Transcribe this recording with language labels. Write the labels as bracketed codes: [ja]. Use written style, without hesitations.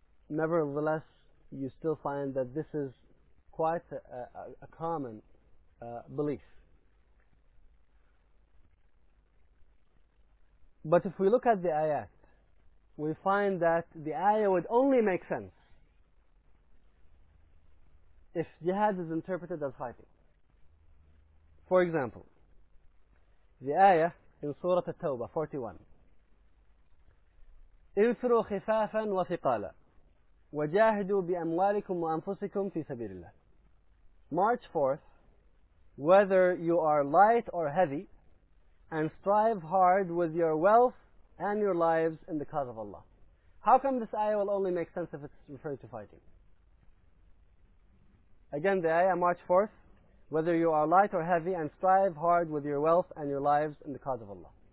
[en] Nevertheless, you still find that this is quite a common belief. But if we look at the ayat, we find that the ayah would only make sense if jihad is interpreted as fighting. For example, the ayah in Surah At-Tawbah 41, [ar] إِنْفِرُوا خِفَافًا وَثِقَالًا وَجَاهِدُوا بِأَمْوَالِكُمْ وَأَنفُسِكُمْ فِي سَبِيلِ اللَّهِ. [en] March forth, whether you are light or heavy, and strive hard with your wealth and your lives in the cause of Allah. How come this ayah will only make sense if it's referred to fighting? Again, the ayah, March forth, whether you are light or heavy, and strive hard with your wealth and your lives in the cause of Allah.